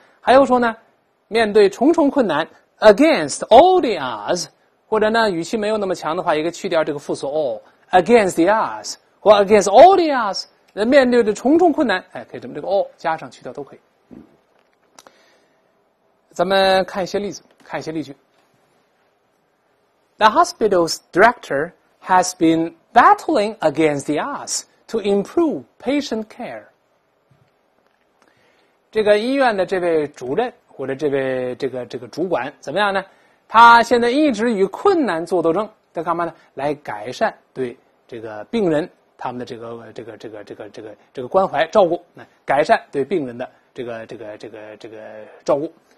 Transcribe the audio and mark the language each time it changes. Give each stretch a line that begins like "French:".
Chinese: 还有说呢，面对重重困难
English: against all the odds,
Chinese: 或者呢语气没有那么强的话，一个去掉这个复数 all,
English: against the odds,
Chinese: 或 against all the odds, 那面对的重重困难，哎，可以这么这个 all 加上去掉都可以。咱们看一些例子，看一些例句。
English: The hospital's director has been battling against the odds to improve patient care.
Chinese: 这个医院的这位主任或者这位这个主管怎么样呢？他现在一直与困难做斗争，在干嘛呢？来改善对这个病人他们的这个关怀照顾，改善对病人的这个照顾。